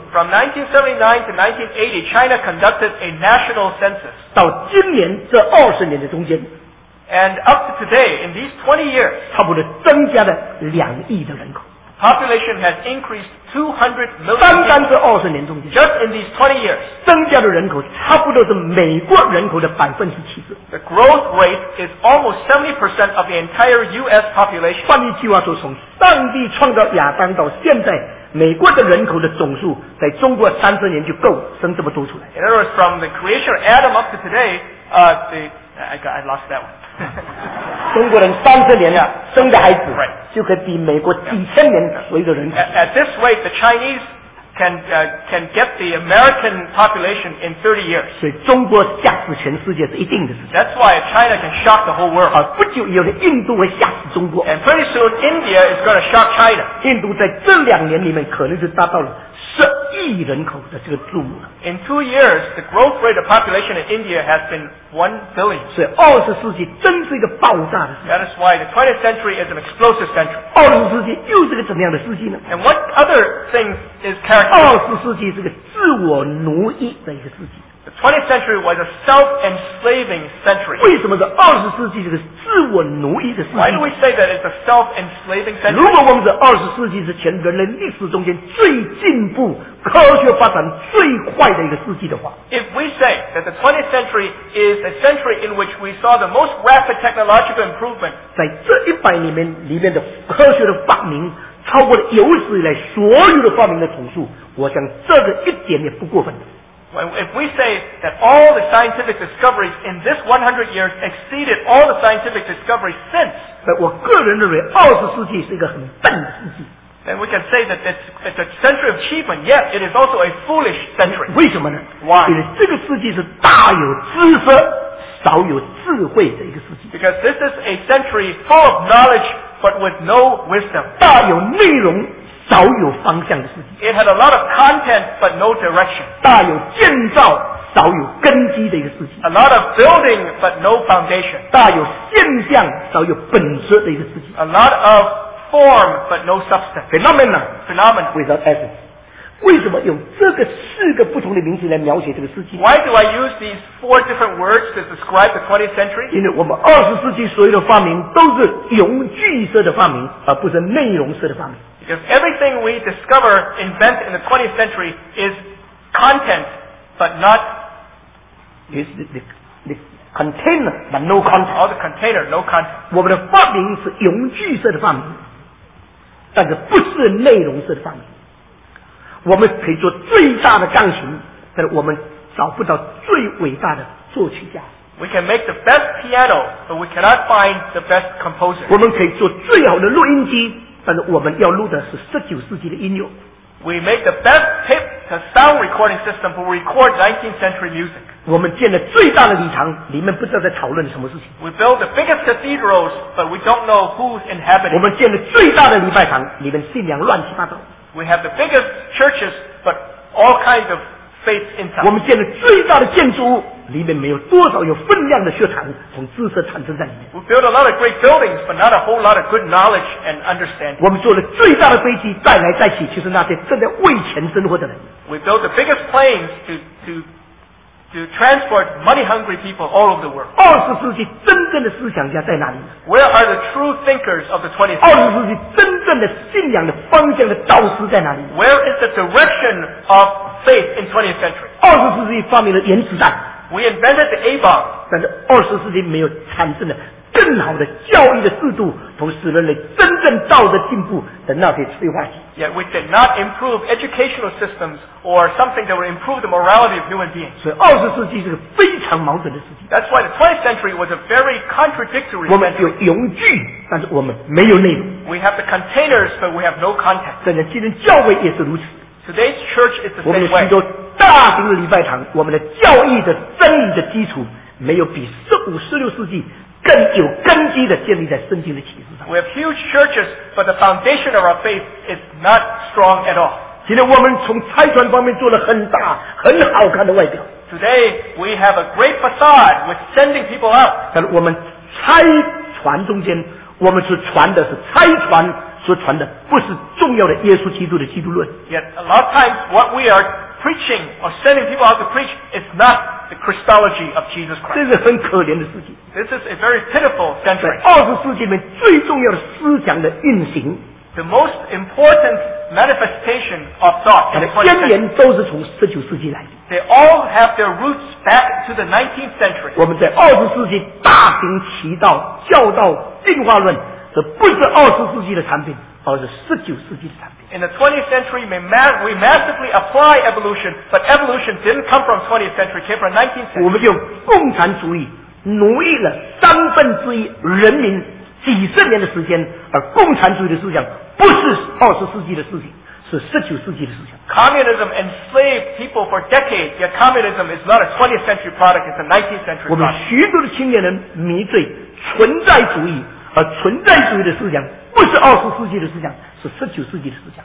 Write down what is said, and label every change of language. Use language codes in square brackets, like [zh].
[en] From 1979 to 1980, China conducted a national census. [zh] 到今年这二十年的中间。 [en] And up to today, in these 20 years, [zh] 差不多增加了2亿的人口。 [en] Population has increased 200 million. [zh] 单单这二十年中间。 [en] Just in these 20 years, [zh] 增加的人口差不多是美国人口的70%。 [en] The growth rate is almost 70% of the entire U.S. population. [zh] 换一句话说，从上帝创造亚当到现在，美国的人口的总数在中国三十年就够生这么多出来。 [en] In other words, from the creation of Adam up to today, I lost that one. [zh] 中国人三十年生的孩子、 [en] right. [zh] 就可以比美国几千年所有的人口。 [en] At this rate, the Chinese can get the American population in 30 years. [zh] 所以中国吓死全世界是一定的事情。 [en] That's why China can shock the whole world. [zh] 好，不久以后的印度会吓死中国。 [en] And pretty soon, India is going to shock China. [zh] 印度在这两年里面可能是达到了10亿人口的这个数目。 [en] In 2 years, the growth rate of population in India has been 1 billion. [zh] 所以二十世纪真是一个爆炸的世纪。 [en] That is why the 20th century is an explosive century. [zh] 二十世纪又是个怎么样的世纪呢？ [en] And what other thing is characteristic? [zh] 二十世纪是个自我奴役的一个世纪。 [en] The 20th century was a self-enslaving century. [zh] 为什么是二十世纪这个自我奴役的世纪？ [en] Why do we say that it's a self-enslaving century? [zh] 如果我们是二十世纪之前人类历史中间最进步、科学发展最快的一个世纪的话， [en] If we say that the 20th century is a century in which we saw the most rapid technological improvement, [zh] 在这一百年里面的科学的发明超过了有史以来所有的发明的总数，我想这个一点也不过分。 [en] If we say that all the scientific discoveries in this 100 years exceeded all the scientific discoveries since, but [zh] 我个人认为二十世纪是一个很笨的世纪。 [en] Then we can say that it's a century of achievement. Yet it is also a foolish century. [zh] 为什么呢？ [en] Why? [zh] 因为这个世纪是大有知识，少有智慧的一个世纪。 [en] Because this is a century full of knowledge but with no wisdom. [zh] 大有内容，少有方向的世纪。 [en] It had a lot of content, but no direction. [zh] 大有建造，少有根基的一个世纪。 [en] A lot of building, but no foundation. [zh] 大有现象，少有本质的一个世纪。 [en] A lot of form, but no substance. Phenomena without essence. [zh] 为什么用这个四个不同的名词来描写这个世纪？ [en] Why do I use these four different words to describe the 20th century? [zh] 因为我们二十世纪所有的发明都是容具式的发明，而不是内容式的发明。 [en] Because everything we discover, invent in the 20th century is content, but not is the container, but no content. All the container, no content. [zh] 我们的发明是容具式的发明，但是不是内容式的发明。我们可以做最大的钢琴，但我们找不到最伟大的作曲家。 [en] We can make the best piano, but we cannot find the best composer. [zh] 我们可以做最好的录音机，但是我们要录的是19世纪的音乐。 [en] We make the best tape to sound recording system to record 19th century music. [zh] 我们建了最大的礼堂，里面不知道在讨论什么事情。 [en] We build the biggest cathedrals, but we don't know who's inhabiting. [zh] 我们建了最大的礼拜堂，里面信仰乱七八糟。 [en] We have the biggest churches, but all kinds of faith inside. [zh] 我们建了最大的建筑物，里面没有多少有分量的血糖从知识产生在里面。 [en] We build a lot of great buildings, but not a whole lot of good knowledge and understanding. [zh] 我们坐了最大的飞机带来带去，就是那些正在为钱生活的人。 [en] We build the biggest planes to transport money-hungry people all over the world. [zh] 二十世纪真正的思想家在哪里？ [en] Where are the true thinkers of the 20th century? [zh] 二十世纪真正的信仰的方向的导师在哪里？ [en] Where is the direction of faith in 20th century? [zh] 二十世纪发明了原子弹。 [en] We invented the A-bomb. [zh] 但是二十世纪没有产生的更好的教育的制度，同时人类真正道德进步的那些催化剂。 [en] Yet we did not improve educational systems or something that would improve the morality of human beings. [zh] 所以二十世纪是个非常矛盾的事情。 [en] That's why the 20th century was a very contradictory century. [zh] 我们有容具，但是我们没有内容。 [en] We have the containers, but we have no content. [zh] 所以今天教会也是如此。 [en] Today's church is the same way. [zh] 我们有许多大型的礼拜堂，我们的教义的真理的基础没有比十五、十六世纪更有根基的建立在圣经的启示上。 [en] We have huge churches, but the foundation of our faith is not strong at all. [zh] 今天我们从拆砖方面做了很大、很好看的外表。 [en] Today we have a great facade with sending people out. [zh] 但是我们拆砖中间，我们所传的是拆砖所传的，不是重要的耶稣基督的基督论。 [en] Yet a lot of times what we are preaching or sending people out to preach is not the Christology of Jesus Christ. [zh] 这是很可怜的事情。 [en] This is a very pitiful century. [zh] 在二十世纪里面最重要的思想的运行， [en] the most important manifestation of thought in the 20th century. [zh] 根源都是从十九世纪来的。 [en] They all have their roots back to the 19th century. [zh] 我们在二十世纪大行其道，教导进化论，这不是二十世纪的产品，而是十九世纪的产品。 [en] In the 20th century, we massively apply evolution, but evolution didn't come from 20th century, it came from 19th century. [zh] 我们用共产主义奴役了三分之一人民几十年的时间，而共产主义的思想不是20世纪的思想，是19世纪的思想。 [en] Communism enslaved people for decades, yet communism is not a 20th century product, it's a 19th century product. [zh] 我们许多的青年人迷醉存在主义，而存在主义的思想不是20世纪的思想，是19世纪的思想。